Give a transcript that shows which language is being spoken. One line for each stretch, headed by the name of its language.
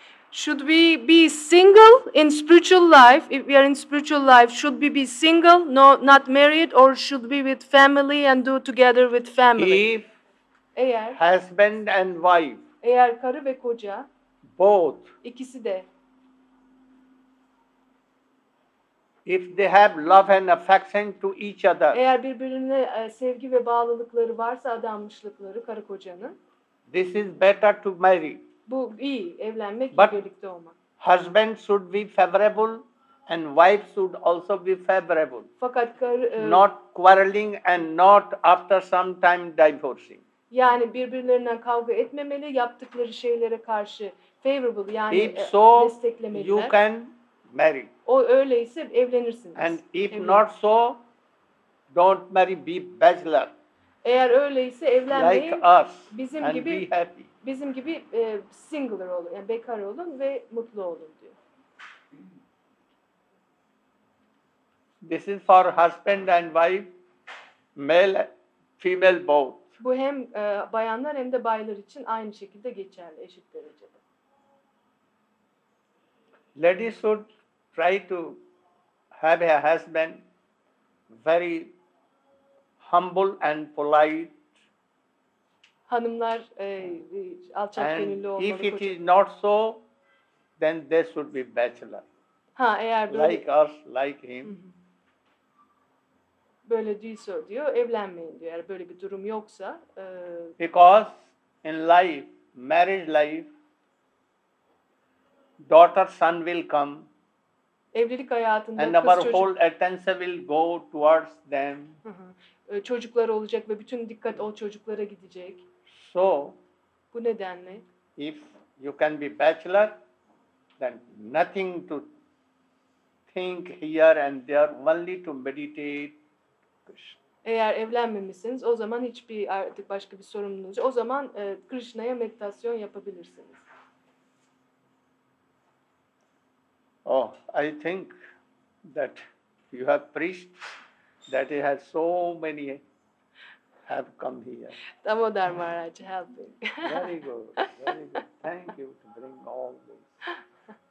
English: Should we be single in spiritual life? If we are in spiritual life, should we be single, no, not married, or should we be with family and do together with family? If
Turkish: eğer
English: husband and wife,
Turkish: eğer karı ve koca,
English: both,
Turkish: ikisi de,
English: if they have love and affection to each other,
Turkish: eğer birbirine sevgi ve bağlılıkları varsa, adanmışlıkları karı kocanın,
English: this is better to marry.
Turkish: Bu iyi, evlenmek,
English: but
Turkish: birlikte olmak.
English: Husband should be favorable and wife should also be favorable.
Turkish: Fakat
English: not quarreling and not after some time divorcing.
Turkish: Yani birbirlerinden kavga etmemeli, yaptıkları şeylere karşı
English: favorable,
Turkish: yani
English: if so,
Turkish: desteklemeliler.
English: You can marry.
Turkish: O öyleyse evlenirsiniz.
English: And if
Turkish: evlen
English: not so, don't marry, be bachelor.
Turkish: Eğer öyleyse evlenmeyin.
English: Like us,
Turkish: bizim
English: and
Turkish: gibi
English: be happy.
Turkish: Bizim gibi singular olun, yani bekar olun ve mutlu olun diyor.
English: This is for husband and wife, male, female both.
Turkish: Bu hem bayanlar hem de baylar için aynı şekilde geçerli, eşit derecede.
English: Ladies should try to have a husband very humble and polite.
Turkish: Hanımlar alçak
English: and
Turkish: gönüllü olmalı.
English: If it is not so, then they should be bachelor.
Turkish: Ha, eğer böyle
English: like us, like him.
Turkish: Böyle değilse diyor, evlenmeyin diyor. Eğer böyle bir durum yoksa.
English: Because in life, marriage life, daughter, son will come.
Turkish: Evlilik hayatında
English: and
Turkish: kız çocuk.
English: And our whole attention will go towards them.
Turkish: Çocuklar olacak ve bütün dikkat o çocuklara gidecek.
English: So,
Turkish: bu nedenle,
English: if you can be bachelor, then nothing to think here and there, only to meditate Krishna.
Turkish: Eğer evlenmemişsiniz, o zaman hiçbir artık başka bir sorumluluğunuz yok. O zaman Krishna'ya meditasyon yapabilirsiniz.
English: Oh, I think that you have preached that he has so many have come here. Damodar Maharaj, help me. Very good. Thank you to bring all this.